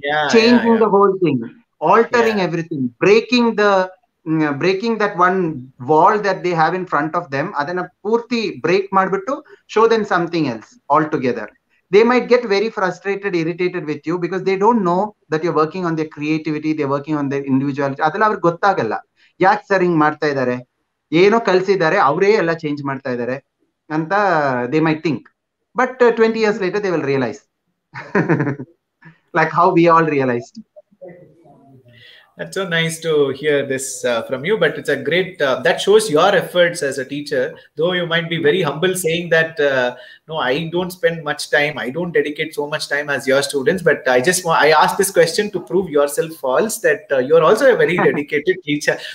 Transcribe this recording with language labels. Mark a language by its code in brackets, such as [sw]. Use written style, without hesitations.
[en] Changing the whole thing, altering everything, breaking the breaking that one wall that they have in front of them, [kn] adana purti break maadibittu, [en] show them something else altogether. They might get very frustrated, irritated with you because they don't know that you're working on their creativity, they're working on their individuality. [kn] Adala avaru gottagalla. ಯಾಕೆ sir ಹಿಂಗ್ ಮಾಡ್ತಾ ಇದ್ದಾರೆ, ಏನೋ ಕಲಿಸಿದ್ದಾರೆ, ಅವರೇ ಎಲ್ಲ change ಮಾಡ್ತಾ ಇದ್ದಾರೆ ಅಂತ [en] They might think. But 20 years later they will realise like how we all realised. That's so nice to hear this from you, but it's a great that shows your efforts as a teacher. Though you might be very humble saying that, no, I don't spend much time, I don't dedicate so much time as your students, but I asked this question to prove yourself false that you're also a very dedicated teacher.